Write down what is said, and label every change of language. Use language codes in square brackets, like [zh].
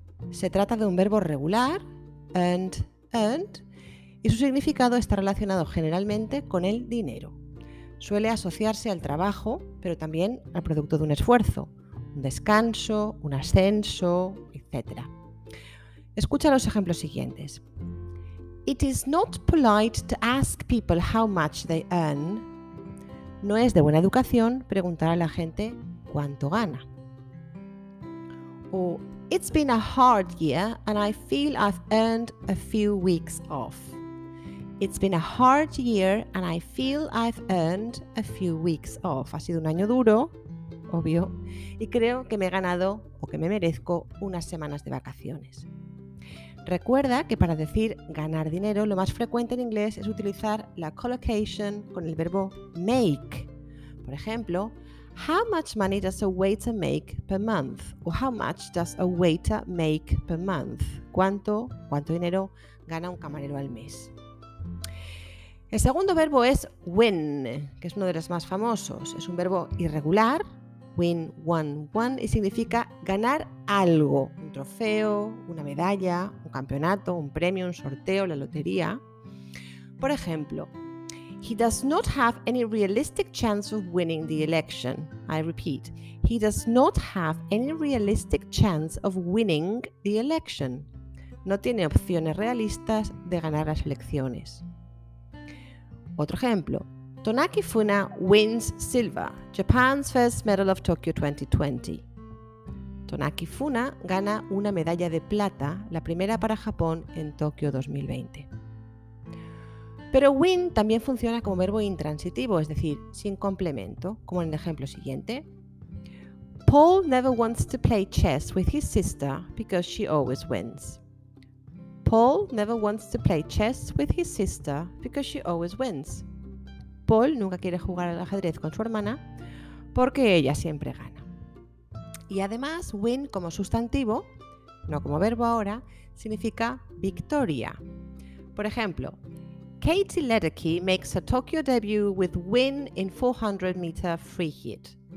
[es] Se trata de un verbo regular, earned, earned, y su significado está relacionado generalmente con el dinero. Suele asociarse al trabajo, pero también al producto de un esfuerzo, un descanso, un ascenso, etc. Escucha los ejemplos siguientes. [en] It is not polite to ask people how much they earn. [es] No es de buena educación preguntar a la gente cuánto gana. [en] O it's been a hard year and I feel I've earned a few weeks off. It's been a hard year and I feel I've earned a few weeks off. [es] Ha sido un año duro, obvio, y creo que me he ganado o que me merezco unas semanas de vacaciones. Recuerda que para decir ganar dinero, lo más frecuente en inglés es utilizar la collocation con el verbo make. Por ejemplo, [en] how much money does a waiter make per month? O how much does a waiter make per month? [es] ¿Cuánto dinero gana un camarero al mes? El segundo verbo es win, que es uno de los más famosos. Es un verbo irregular, win, won, won, y significa ganar algo, un trofeo, una medalla, un campeonato, un premio, un sorteo, la lotería. Por ejemplo, [en] he does not have any realistic chance of winning the election. I repeat, he does not have any realistic chance of winning the election. [es] No tiene opciones realistas de ganar las elecciones. Otro ejemplo. [en] Tonaki Funa wins silver, Japan's first medal of Tokyo 2020. [es] Tonaki Funa gana una medalla de plata, la primera para Japón en Tokio 2020. Pero win también funciona como verbo intransitivo, es decir, sin complemento, como en el ejemplo siguiente. [en] Paul never wants to play chess with his sister because she always wins. Paul never wants to play chess with his sister because she always wins. [es] Paul nunca quiere jugar al ajedrez con su hermana porque ella siempre gana. Y además, win como sustantivo, no como verbo ahora, significa victoria. Por ejemplo, [en] Katie Ledecky makes her Tokyo debut with win in 400 meter free hit.